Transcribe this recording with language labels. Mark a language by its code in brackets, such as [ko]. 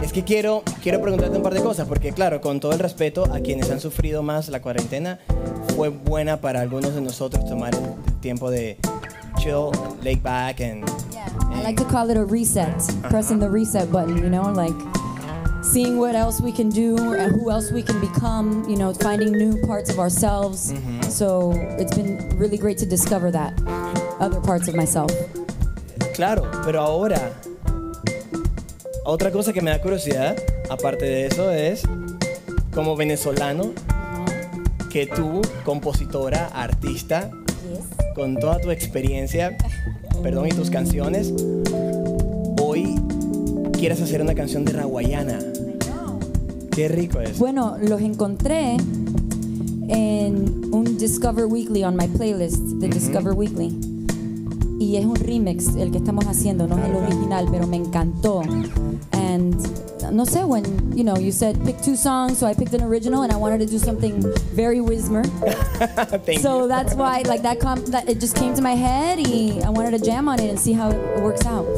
[es] Es que quiero preguntarte un par de cosas, porque claro, con todo el respeto a quienes han sufrido más la cuarentena, fue buena para algunos de nosotros tomar el tiempo de [en] chill, lay back and. Yeah. I like to call it a reset, pressing the reset button, you know, like. Seeing what else we can do and who else we can become, you know, finding new parts of ourselves. Mm-hmm. So it's been really great to discover that, other parts of myself. [es] Claro, pero ahora, otra cosa que me da curiosidad, aparte de eso, es como venezolano, que tú, compositora, artista, con toda tu experiencia, perdón, y tus canciones, hoy quieras hacer una canción de Rawayana. Qué rico es. Bueno, los encontré en un Discover Weekly [en] on my playlist, the Discover Weekly. [es] Y es un remix el que estamos haciendo, no es el original, pero me encantó. [en] And [es] no sé, [en] when, you know, you said pick two songs, so I picked an original and I wanted to do something very Wizmer. Thank you. That's why like that it just came to my head and I wanted to jam on it and see how it works out.